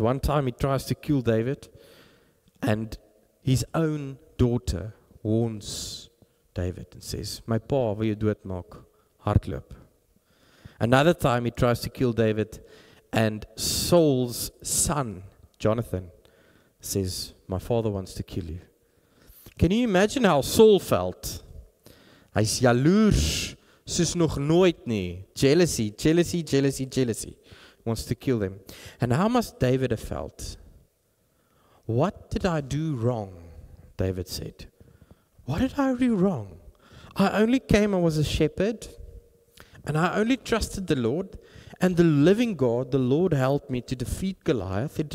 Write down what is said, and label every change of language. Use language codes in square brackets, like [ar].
[en] One time he tries to kill David, and his own daughter warns David and says, [af] "My pa, wil jy dood maak? Hardloop." [en] Another time he tries to kill David, and Saul's son, Jonathan, says, "My father wants to kill you." Can you imagine how Saul felt? [af] Hy's jaloers soos nog nooit nie. [en] Jealousy. Wants to kill them. And how must David have felt? "What did I do wrong?" David said. "What did I do wrong? I only came, I was a shepherd, and I only trusted the Lord, and the living God, the Lord, helped me to defeat Goliath.